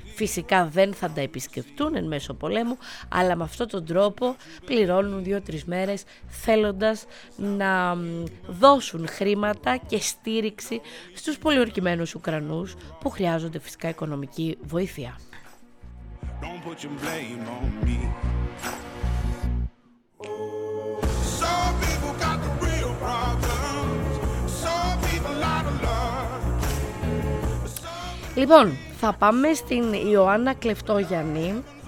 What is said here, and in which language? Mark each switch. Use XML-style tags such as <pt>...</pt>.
<el>Φυσικά δεν θα τα επισκεφτούν εν μέσω πολέμου, αλλά με αυτόν τον τρόπο πληρώνουν 2-3 μέρες θέλοντας να δώσουν χρήματα και στήριξη στους πολιορκημένους Ουκρανούς που χρειάζονται φυσικά οικονομική βοήθεια.</el> <en>Don't put your blame on me. Some people got the real problems. Some people out of love.</en> <el>Λοιπόν, θα πάμε στην Ιωάννα Κλεφτόγιαννη.</el>